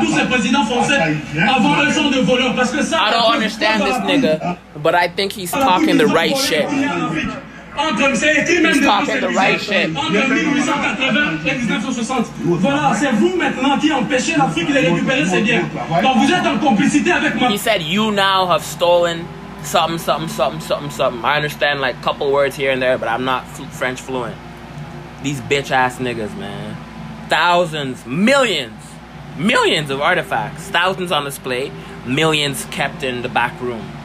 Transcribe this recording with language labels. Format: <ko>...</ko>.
<fr>Tous ces présidents français avant eux sont de voleurs. Parce que ça...</fr> <en>I don't understand this nigga, but I think he's talking the right shit. He's talking the right shit.</en> <fr>Entre 1880 et 1960. Voilà, c'est vous maintenant qui empêchez l'Afrique de récupérer ses biens. Donc vous êtes en complicité avec moi.</fr> <en>He said, you now have stolen... something, something, something, something, something. I understand like a couple words here and there, but I'm not French fluent. These bitch ass niggas, man. Thousands, millions, millions of artifacts. Thousands on display, millions kept in the back room.</en>